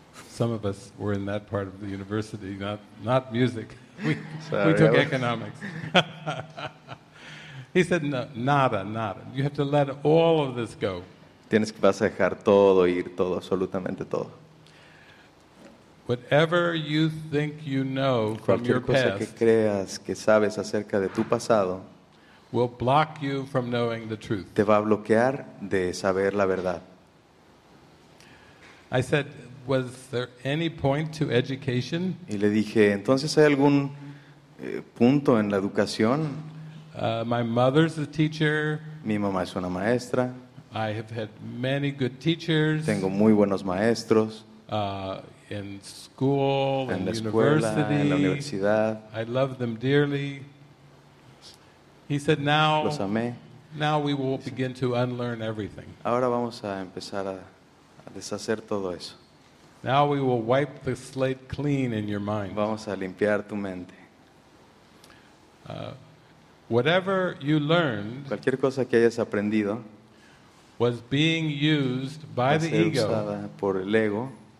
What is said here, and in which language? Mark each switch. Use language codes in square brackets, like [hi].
[en] Some of us were in that part of the university, not music. We took economics. He said, no, [es] nada, nada. [en] You have to let all of this go. [es] Tienes que vas a dejar todo ir, todo, absolutamente todo. [en] Whatever you think you know from your past. [es] Cualquier cosa que creas que sabes acerca de tu pasado. [en] Will block you from knowing the truth. [es] Te va a bloquear de saber la verdad. [en] I said, was there any point to education? [es] Y le dije, ¿entonces hay algún punto en la educación? [en] My mother's a teacher. [es] Mi mamá es una maestra. [en] I have had many good teachers. [es] Tengo muy buenos maestros. [en] In school, [es] en la escuela, [en] university. [es] En la universidad. [en] I love them dearly. He said, now we will begin to unlearn everything. [es] Ahora vamos a empezar a deshacer todo eso. [en] Now we will wipe the slate clean in your mind. [es] Vamos a limpiar tu mente. [en] Whatever you learned, [es] cualquier cosa que hayas aprendido, [en] was being used by the ego, [es] usada por el ego,